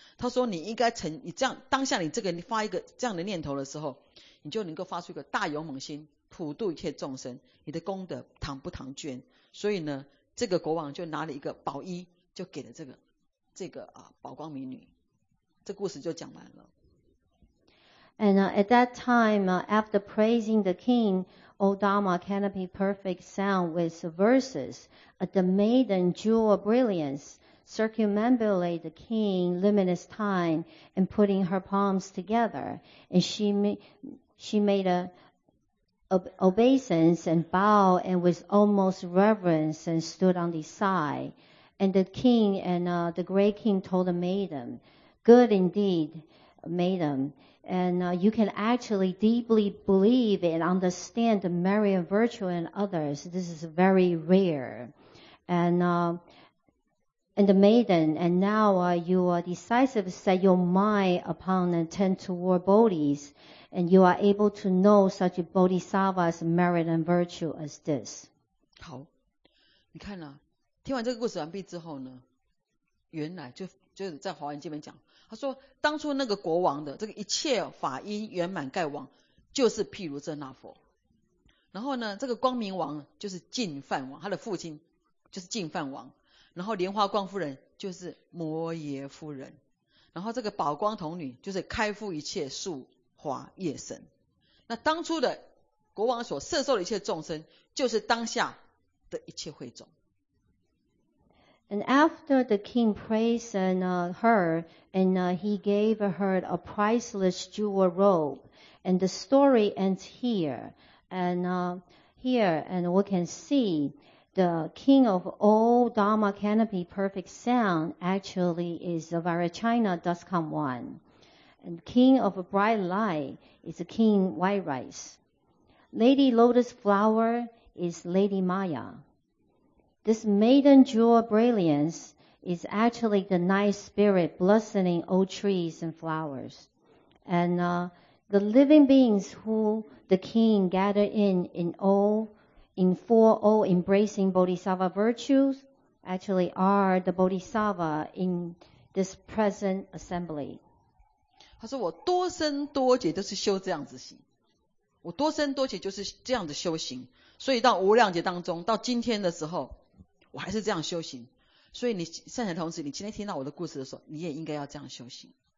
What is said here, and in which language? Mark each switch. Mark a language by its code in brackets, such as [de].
[zh] 他说：“你应该成，你这样当下你这个你发一个这样的念头的时候，你就能够发出一个大勇猛心，普度一切众生，你的功德堂不堂捐。” 所以呢，这个国王就拿了一个宝衣，就给了这个宝光美女。这故事就讲完了。 [en] And at that time, after praising the king. O Dharma canopy perfect sound with verses, the maiden jewel brilliance circumambulate the king luminous time and putting her palms together. And she made an obeisance and bow and with almost reverence and stood on the side. And the king and the great king told the maiden, good indeed, maiden. And you can actually deeply believe and understand the merit and virtue in others. This is very rare. And the maiden, and now you are decisive, set your mind upon and turn toward bodhis, and you are able to know such a bodhisattva's merit and virtue as this. [zh] 好，你看啊，听完这个故事完毕之后呢，原来就在华严经里面讲，他说当初那个国王的这个一切法音圆满盖王，就是毗卢遮那佛，然后呢，这个光明王就是净饭王，他的父亲就是净饭王。然后莲花光夫人就是摩耶夫人，然后这个宝光童女就是开敷一切树花叶神，那当初的国王所摄受的一切众生就是当下的一切会众。 [en] And after the king praised and, her and he gave her a priceless jewel robe, and the story ends here, and here and we can seeThe king of all Dharma canopy perfect sound actually is the Vairochana dust come one. And king of a bright light is the king white rice. Lady lotus flower is Lady Maya. This maiden jewel brilliance is actually the night spirit blessing all trees and flowers. And the living beings who the king gathered in all,in four all embracing bodhisattva virtues actually are the bodhisattva in this present assembly. [zh] 他说我多生多劫都是修这样子行，我多生多劫就是这样子修行，所以到无量劫当中到今天的时候我还是这样修行，所以你善财童子，你今天听到我的故事的时候你也应该要这样修行。